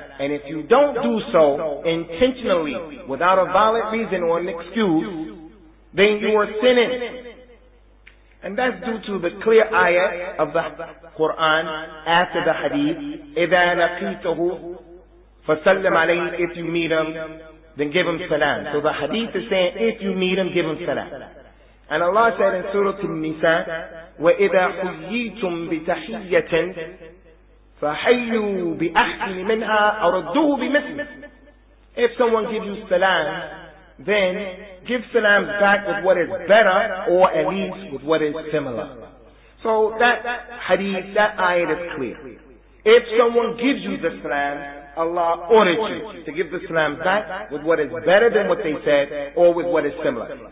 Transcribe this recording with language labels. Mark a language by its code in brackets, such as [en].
[en] And if you don't do so intentionally, without a valid reason or an excuse, then you are sinning. And that's due to the clear ayah of the Quran after the hadith, [ar] إِذَا لَقِيتَهُ فَسَلِّمْ عَلَيْهِ. [en] If you meet him, then give him salam. So the hadith is saying, if you meet him, give him salam. And Allah said in Surah An-Nisa, [ar] وَإِذَا حُيِّيتُم بِتَحِيَّةٍ فَحَيُّوا بِأَحْسَنِ مِنْهَا أَرُدُّوهُ بِمِثْلِهِ. [en] If someone gives you salam, then give salam back with what is better, or at least with what is similar. So that hadith, that ayah is clear. If someone gives you the salam, Allah ordered you to give the salam back with what is better than what they said or with what is similar.